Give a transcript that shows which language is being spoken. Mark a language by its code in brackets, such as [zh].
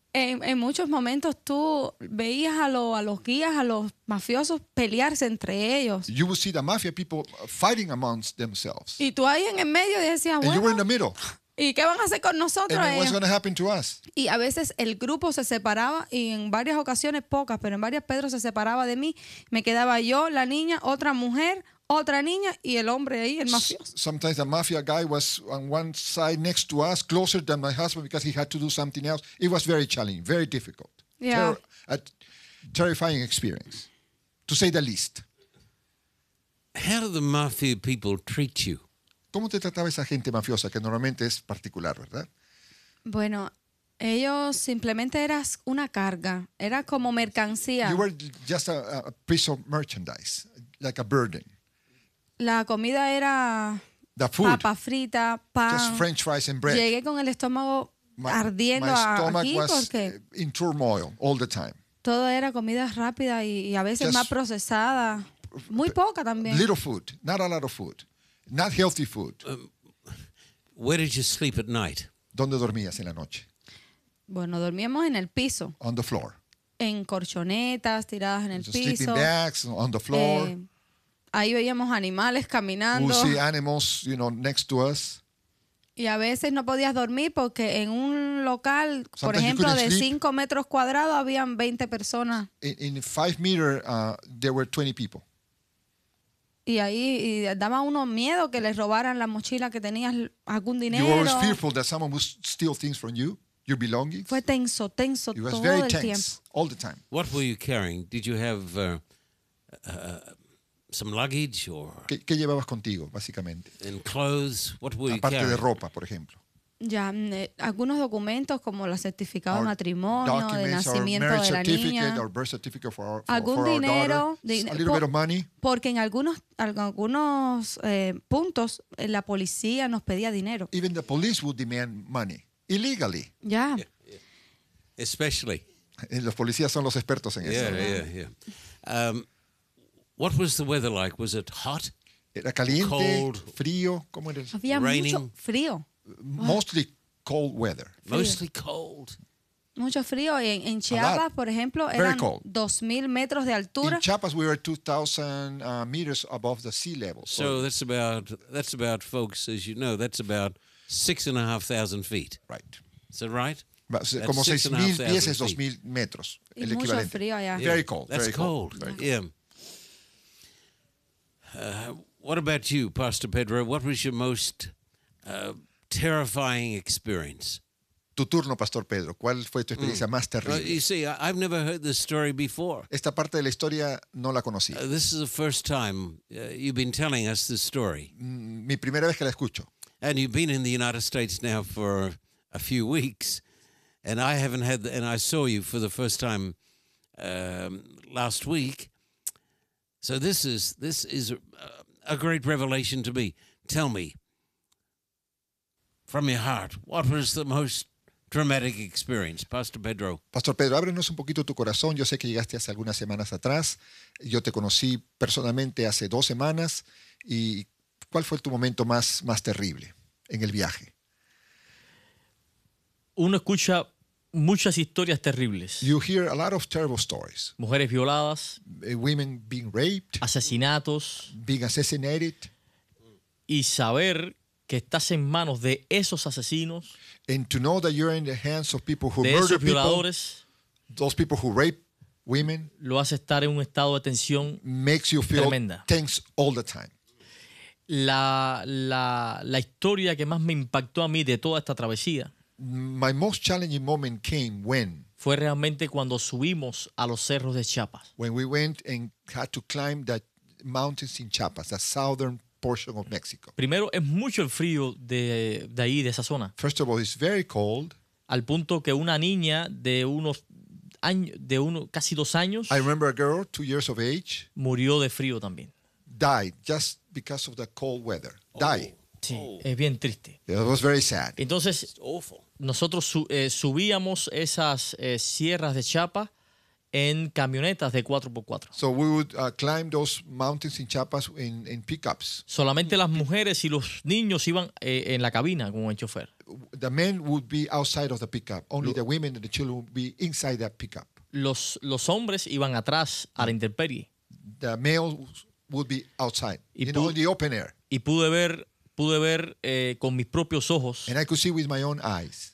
[es] En muchos momentos tú veías a los guías, a los mafiosos pelearse entre ellos. [en] You would see the mafia people fighting amongst themselves. [es] Y tú ahí en el medio decías, bueno. [en] And you were in the middle. [es] ¿Y qué van a hacer con nosotros? [en] And what's going to happen to us? [es] Y a veces el grupo se separaba y en varias ocasiones, pocas, pero en varias, Pedro se separaba de mí. Me quedaba yo, la niña, otra mujer, otra niña y el hombre ahí, el mafioso. [en] Sometimes the mafia guy was on one side next to us, closer than my husband because he had to do something else. It was very challenging, very difficult. Yeah. A terrifying experience, to say the least. How do the mafia people treat you? [es] ¿Cómo te trataba esa gente mafiosa que normalmente es particular, verdad? Bueno, ellos simplemente eras una carga, era como mercancía. [en] You were just a piece of merchandise, like a burden. [es] La comida era papa frita, pan. [en] Just French fries and bread. [es] Llegué con el estómago ardiendo aquí porque. [en] My stomach was in turmoil all the time. [es] Todo era comida rápida y a veces más procesada, muy poca también. [en] Little food, not a lot of food. Not healthy food. Where did you sleep at night? [es] ¿Dónde dormías en la noche? Bueno, dormíamos en el piso. [en] On the floor. [es] En corchonetas, tiradas en el piso. [en] Sleeping bags, on the floor. [es] Ahí veíamos animales caminando. [en] We'll see animals, you know, next to us. [es] Y a veces no podías dormir porque en un local, [en] sometimes, [es] por ejemplo, de [en] sleep. [es] 5 metros cuadrados, habían 20 personas. [en] In 5 meters, there were 20 people. [es] Y ahí y daba uno miedo que les robaran la mochila que tenías algún dinero. [en] You were always fearful that someone would steal things from you, your belongings. [es] Fue tenso, tenso todo el tiempo. [en] It was very tense, all the time. What were you carrying? Did you have some luggage or? [es] ¿Qué llevabas contigo, básicamente? [en] In clothes, what were you carrying? [es] Aparte de ropa, por ejemplo. Ya, algunos documentos como la certificado de matrimonio, de nacimiento [en] or [es] de la niña. [en] Or birth certificate for our, [es] algún [en] for [es] dinero. [en] Our daughter, a little bit of money. [es] Porque en algunos puntos la policía nos pedía dinero. [en] Even the police would demand money, illegally. Ya. Yeah. Yeah. Especially. [es] Los policías son los expertos en eso. Yeah, ¿no? [en] What was the weather like? Was it hot? [es] Era caliente, cold, frío, ¿cómo era? Había raining, mucho frío. [en] Mostly cold weather. Frío. Mostly cold. [es] Mucho frío. En Chiapas, por ejemplo, eran 2,000 metros de altura. [en] In Chiapas, we were 2,000 meters above the sea level. So that's about, folks, as you know, that's about 6,500 feet. Right. Is that right? [es] Como 6,000 pies es 2,000 metros. Y mucho frío allá. [en] Yeah. Very cold. That's very cold. Cold. Very cold. Yeah. What about you, Pastor Pedro? What was your most terrifying experience? [es] Tu turno, Pastor Pedro. ¿Cuál fue tu experiencia más terrible? [en] You see, I've never heard this story before. [es] Esta parte de la historia no la conocía. [en] This is the first time you've been telling us this story. [es] Mi primera vez que la escucho. [en] And you've been in the United States now for a few weeks, and I haven't had, and I saw you for the first time last week. So this is a great revelation to me. Tell me, from your heart, what was the most dramatic experience, Pastor Pedro. [es] Pastor Pedro, ábrenos un poquito tu corazón. Yo sé que llegaste hace algunas semanas atrás. Yo te conocí personalmente hace 2 semanas. ¿Y cuál fue tu momento más terrible en el viaje? Uno escucha muchas historias terribles. [en] You hear a lot of terrible stories. [es] Mujeres violadas. [en] Women being raped. [es] Asesinatos. [en] Being assassinated. [es] Y saber que estás en manos de esos asesinos. [en] And to know that you're in the hands of people who murder people, those people who rape women, [es] lo hace estar en un estado de tensión [en] makes you feel [es] tremenda. [en] Tense all the time. [es] La historia que más me impactó a mí de toda esta travesía, [en] my most challenging moment came when, [es] fue realmente cuando subimos a los cerros de Chiapas. [en] When we went and had to climb the mountains in Chiapas, the southern portion of Mexico. [es] Primero, es mucho el frío de ahí, de esa zona. [en] First of all, it's very cold. [es] Al punto que una niña de unos años, de uno, casi 2 años, [en] I remember a girl, 2 years of age, [es] murió de frío también. [en] Died just because of the cold weather. Oh. Died. [es] Sí, oh. Es bien triste. [en] It was very sad. [es] Entonces, nosotros subíamos esas sierras de Chiapas en camionetas de 4x4. [en] So we would climb those mountains in Chiapas in pickups. [es] Solamente las mujeres y los niños iban en la cabina con el chofer. [en] The men would be outside of the pickup. Only the women and the children would be inside that pickup. [es] Los hombres iban atrás a la intemperie. [en] The males would be outside, in the open air. [es] Y pude ver con mis propios ojos. [en] And I could see with my own eyes.